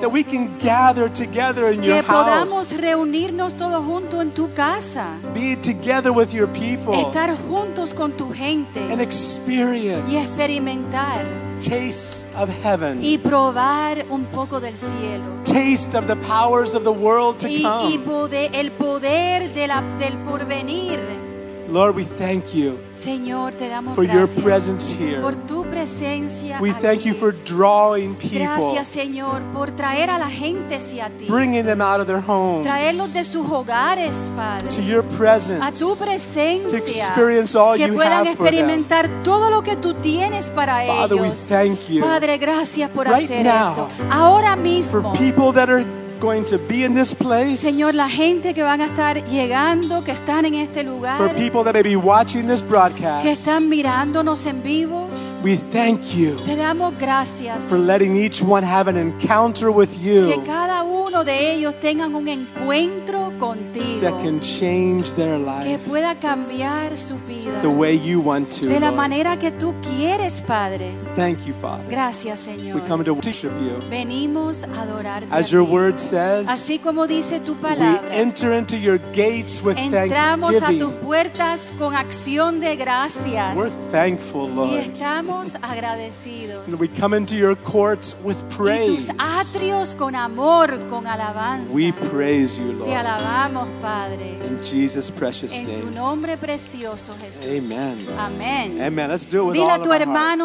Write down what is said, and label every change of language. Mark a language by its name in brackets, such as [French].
[English] That we can gather together in your house. [Spanish] Que podamos reunirnos todos juntos en tu casa. [English] Be together with your people. [Spanish] Estar juntos con tu gente. [English] And experience. [Spanish] Y experimentar. [English] Taste of heaven. [Spanish] Y probar un poco del cielo. [English] Taste of the powers of the world to come. [Spanish] Y el poder del porvenir. [English] Lord, we thank you [Spanish] Señor, te damos [English] for your presence here. [Spanish] Por tu presencia [English] we thank you for drawing people. [Spanish] Gracias, Señor, por traer a la gente hacia ti. [English] Bringing them out of their homes. [Spanish] Traerlos de sus hogares, Padre. [English] To your presence. [Spanish] A tu presencia. [English] To experience all [Spanish] que [English] you [Spanish] puedan [English] have [Spanish] experimentar [English] for them. [Spanish] Todo lo que tú tienes para [English] Father, [Spanish] ellos. [English] We thank you [Spanish] Padre, gracias por [English] right [Spanish] hacer [English] now, [Spanish] esto. Ahora mismo. [English] For people that are going to be in this place. [Spanish] Señor, la gente que van a estar llegando, que están en este lugar. [English] For people that may be watching this broadcast. [Spanish] Que están mirándonos en vivo. [English] We thank you. [Spanish] Te damos gracias. [English] For letting each one have an encounter with you. [Spanish] Que cada uno de ellos tengan un encuentro contigo. [English] That can change their life. [Spanish] Que pueda cambiar su vida. [English] The way you want to. [Spanish] De la [English] Lord. [Spanish] Manera que tú quieres, Padre. [English] Thank you, Father. [Spanish] Gracias, Señor. [English] We come to worship you. [Spanish] Venimos a adorarte. [English] As your word says, [Spanish] así como dice tu palabra, [English] we enter into your gates with [Spanish] entramos Entramos a tus puertas con acción de gracias. [English] We're thankful, Lord. [Spanish] Y estamos agradecidos. [English] And we come into your courts with praise. [Spanish] Y tus atrios con amor, con alabanza. [English] We praise you, Lord. [Spanish] Te alabamos, Padre. [English] In Jesus' precious [Spanish] en [English] name. [Spanish] En tu nombre precioso, Jesús. [English] Amen. [Spanish] Amen. [English] Amen. Let's do it with [Spanish] dile [English] all [Spanish] a tu [English] of [Spanish] hermano,